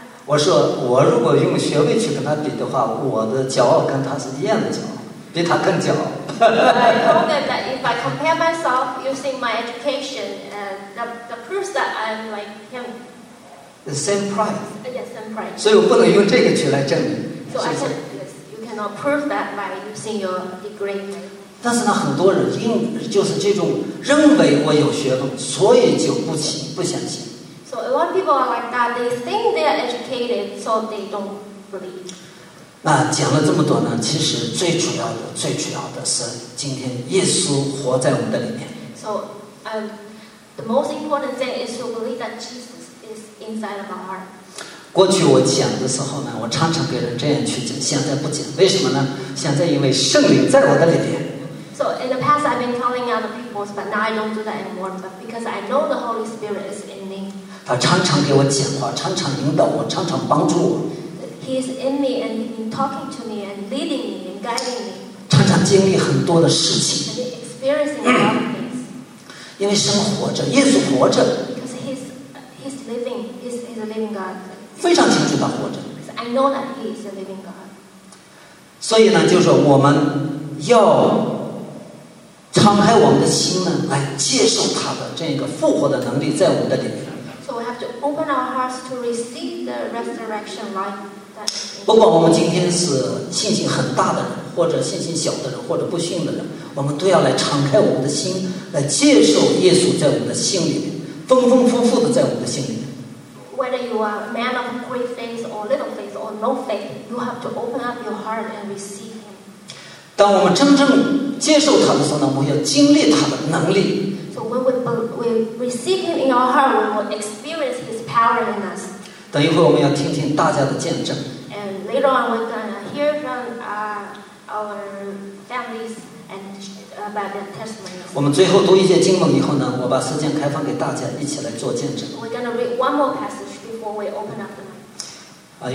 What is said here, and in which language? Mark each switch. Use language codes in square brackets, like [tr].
[zh] 我说我如果用学位去跟他比的话，我的骄傲跟他是一样的骄傲，比他更骄傲。 [en] I told them that if I compare myself using my education, the proof that I'm like him. The same pride. Yes, same pride. [zh] 所以我不能用这个去来证明。 [en] So I said, yes, you cannot prove that by using your degree. [zh] 但是呢，很多人因就是这种认为我有学问，所以就不相信。 [en] So a lot of people are like that. They think they are educated, so they don't believe. [zh] 那讲了这么多呢？其实最主要的、最主要的是，今天耶稣活在我们的里面。 [en] So, the most important thing is to believe that Jesus is inside of our heart. [zh] 过去我讲的时候呢，我常常给人这样去讲，现在不讲，为什么呢？现在因为圣灵在我的里面。 [en] So in the past I've been telling other people, but now I don't do that anymore. But because I know the Holy Spirit is in me. [zh] 他常常给我讲话，常常引导我，常常帮助我。 [en] He is in me and talking to me and leading me and guiding me. [zh] 常常经历很多的事情。 [en] And experiencing a lot of things. [zh] 因为生活着，耶稣活着。 [en] Because he's living, he's a living God. [zh] 非常清楚他活着。 [en] Because I know that he is a living God. [zh] 所以呢，就是我们要敞开我们的心呢，来接受他的这个复活的能力在我们的里面。 [en] So we have to open our hearts to receive the resurrection life. [zh] 不管我们今天是信心很大的人，或者信心小的人，或者不信的人，我们都要来敞开我们的心，来接受耶稣在我们的心里面，丰丰富富的在我们的心里面。 [en] Whether you are a man of great faith or little faith or no faith, you have to open up your heart and receive him. [zh] 当我们真正接受他的时候呢，我要经历他的能力。 [en] So when we receive him in our heart, we will experience his power in us. [zh] 等一会我们要听听大家的见证。 [en] And later on, we're gonna hear from our families and about their testimonies. [zh] 我们最后读一些经文以后呢，我把时间开放给大家一起来做见证。 [en] We're gonna read one more passage before we open up the mic.